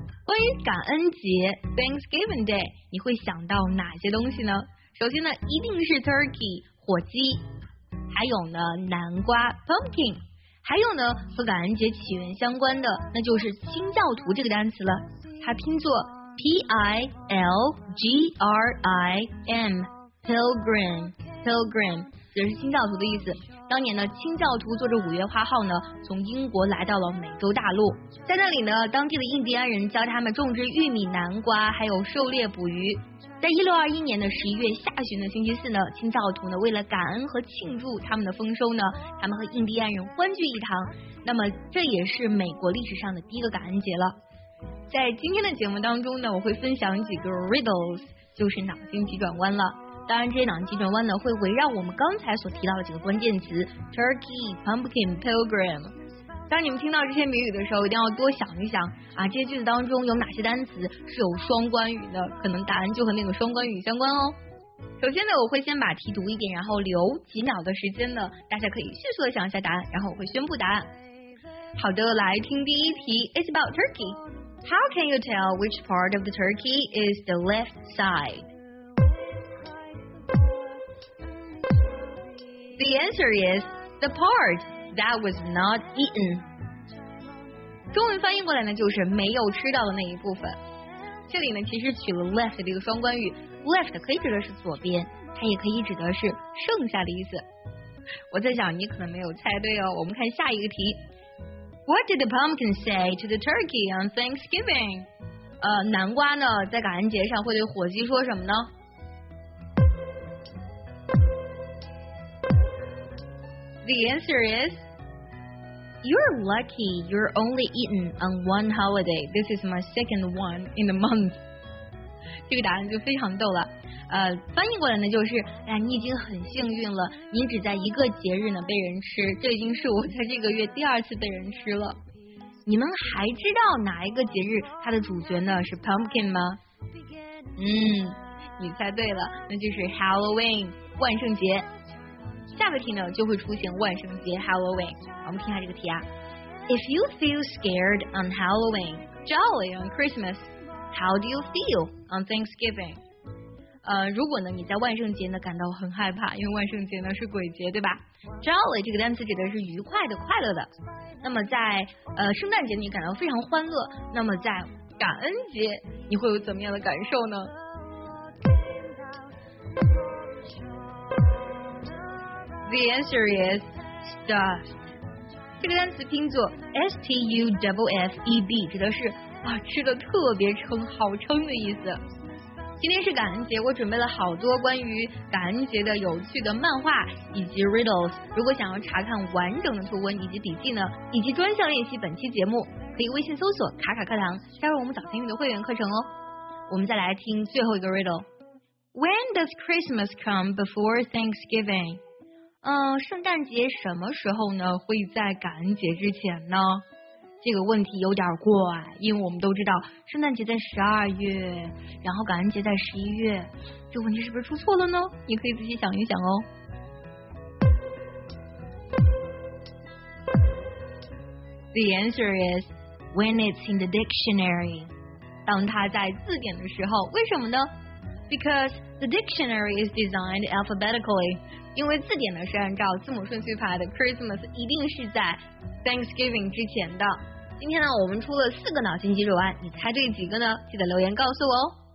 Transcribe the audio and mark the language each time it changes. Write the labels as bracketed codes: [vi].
[zh] 关于感恩节 Thanksgiving Day， 你会想到哪些东西呢？首先呢，一定是 turkey 火鸡，还有呢南瓜 pumpkin， 还有呢和感恩节起源相关的，那就是清教徒这个单词了。它拼作 P I L G R I M pilgrim pilgrim。也是清教徒的意思。当年呢，清教徒坐着五月花号呢，从英国来到了美洲大陆，在那里呢，当地的印第安人教他们种植玉米、南瓜，还有狩猎捕鱼。在1621年的11月下旬的星期四呢，清教徒呢为了感恩和庆祝他们的丰收呢，他们和印第安人欢聚一堂。那么这也是美国历史上的第一个感恩节了。在今天的节目当中呢，我会分享几个 riddles， 就是脑筋急转弯了。当然这些脑筋急转弯呢，会围绕我们刚才所提到的几个关键词 Turkey, Pumpkin, Pilgrim。当你们听到这些谜语的时候，一定要多想一想啊，这些句子当中有哪些单词是有双关语的，可能答案就和那个双关语相关哦。首先呢，我会先把题读一遍，然后留几秒的时间呢，大家可以迅速的想一下答案，然后我会宣布答案。好的，来听第一题。 [en] It's about turkey. How can you tell which part of the turkey is the left side? The answer is the part that was not eaten. [zh] 中文翻译过来呢，就是没有吃到的那一部分。这里呢，其实取了 left 这个双关语， left 可以指的是左边，它也可以指的是剩下的意思。我在想，你可能没有猜对哦。我们看下一个题。 [en] What did the pumpkin say to the turkey on Thanksgiving? [zh] 南瓜呢，在感恩节上会对火鸡说什么呢？ [en] The answer is, you're lucky you're only eaten on one holiday. This is my second one in a month. [zh] 这个答案就非常逗了。翻译过来呢就是，哎呀，你已经很幸运了，你只在一个节日呢被人吃，这已经是我在这个月第二次被人吃了。你们还知道哪一个节日它的主角呢是 pumpkin 吗？你猜对了，那就是 Halloween, 万圣节。下个题呢就会出现万圣节 Halloween。我们听一下这个题啊。 [en] If you feel scared on Halloween, jolly on Christmas, how do you feel on Thanksgiving? [zh] 如果呢你在万圣节呢感到很害怕，因为万圣节呢是鬼节对吧， jolly 这个单词指的是愉快的快乐的，那么在圣诞节你感到非常欢乐，那么在感恩节你会有怎么样的感受呢？ [en] The answer is stuffed. [zh] 这个单词拼作 S-T-U-F-F-E-D， 指的是啊吃的特别撑，好撑的意思。今天是感恩节，我准备了好多关于感恩节的有趣的漫画以及 riddles。如果想要查看完整的图文以及笔记呢，以及专项练习本期节目，可以微信搜索卡卡课堂，加入我们早餐英语的会员课程哦。我们再来听最后一个 riddle。 [en] When does Christmas come before Thanksgiving? [zh] 圣诞节什么时候呢会在感恩节之前呢？这个问题有点怪，因为我们都知道圣诞节在12月，然后感恩节在11月，这问题是不是出错了呢？你可以仔细想一想哦。 [en] The answer is when it's in the dictionary. [zh] 当它在字典的时候，为什么呢？ [en] Because the dictionary is designed alphabetically. [zh] 因为字典呢是按照字母顺序排的， Christmas 一定是在 Thanksgiving 之前的。今天呢我们出了四个脑筋急转弯，你猜对几个呢？记得留言告诉我哦。